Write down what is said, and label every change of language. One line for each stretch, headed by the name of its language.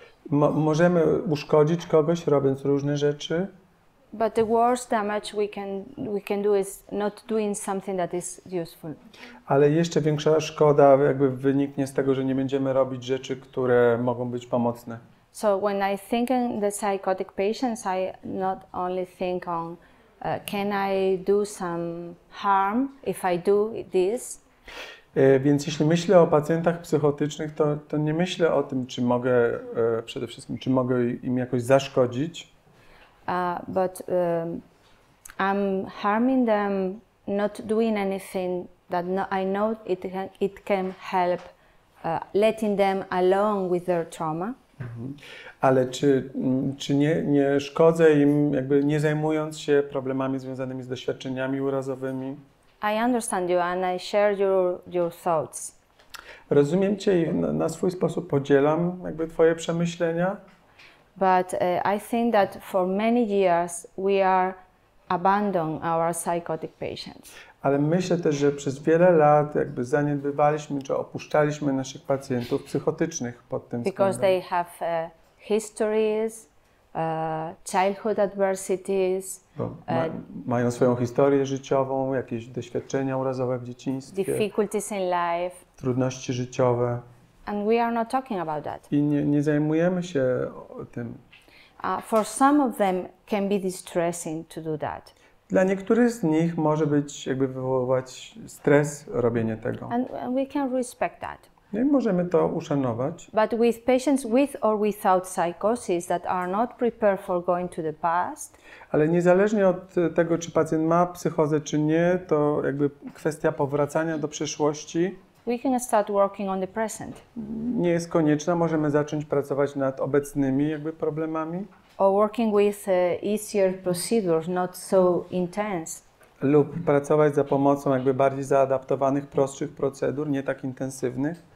Polish: Możemy uszkodzić kogoś robiąc różne rzeczy.
English: But the worst damage we can do is not doing something that is useful.
Polish: Ale jeszcze większa szkoda jakby wyniknie z tego, że nie będziemy robić rzeczy, które mogą być pomocne.
English: So when I think in the psychotic patients, I not only think on can I do some harm if I do this.
Polish: Więc jeśli myślę o pacjentach psychotycznych, to nie myślę o tym, czy mogę przede wszystkim, czy mogę im jakoś zaszkodzić.
English: I'm harming them, not doing anything that I know it can help, letting them alone with their trauma. Mm-hmm.
Polish: Ale czy nie szkodzę im, jakby nie zajmując się problemami związanymi z doświadczeniami urazowymi?
English: I understand you and I share your thoughts.
Polish: Rozumiem cię i na swój sposób podzielam jakby twoje przemyślenia.
English: But I think that for many years we are abandon our psychotic patients.
Polish: Ale myślę też, że przez wiele lat jakby zaniedbywaliśmy czy opuszczaliśmy naszych pacjentów psychotycznych pod tym względem.
English: Because they have histories, childhood adversities.
Polish: Mają swoją historię życiową, jakieś doświadczenia urazowe w dzieciństwie.
English: Difficulties in life.
Polish: Trudności życiowe.
English: And we are not talking about that.
Polish: I nie zajmujemy się tym.
English: For some of them can be distressing to do that.
Polish: Dla niektórych z nich może być jakby wywoływać stres robienie tego.
English: And we can respect that.
Polish: I możemy to uszanować.
English: But with patients with or without psychosis that are not prepared for going to the past.
Polish: Ale niezależnie od tego, czy pacjent ma psychozę, czy nie, to jakby kwestia powracania do przeszłości.
English: We can start working on the present.
Polish: Nie jest konieczna, możemy zacząć pracować nad obecnymi jakby problemami.
English: Or working with easier procedures, not so intense.
Polish: Lub pracować za pomocą jakby bardziej zaadaptowanych, prostszych procedur, nie tak intensywnych.